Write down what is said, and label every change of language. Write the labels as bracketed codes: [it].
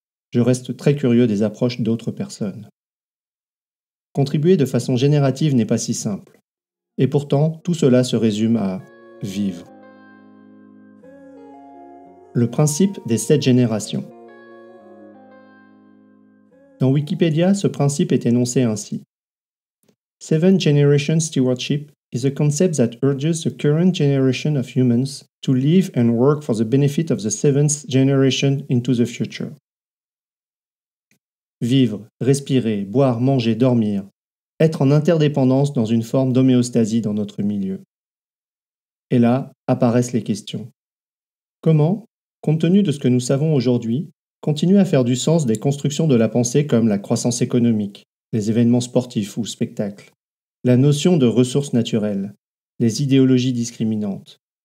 [fr] Je reste très curieux des approches d'autres personnes. Contribuer de façon générative n'est pas si simple. Et pourtant, tout cela se résume à vivre. Le principe des 7 générations. Dans Wikipédia, ce principe est énoncé ainsi. [en] Seven generation stewardship is a concept that urges the current generation of humans to live and work for the benefit of the seventh generation into the future. [fr] Vivre, respirer, boire, manger, dormir. Être en interdépendance dans une forme d'homéostasie dans notre milieu. Et là, apparaissent les questions. Comment, compte tenu de ce que nous savons aujourd'hui, continuer à faire du sens des constructions de la pensée comme la croissance économique, les événements sportifs ou spectacles, la notion de ressources naturelles, les idéologies discriminantes?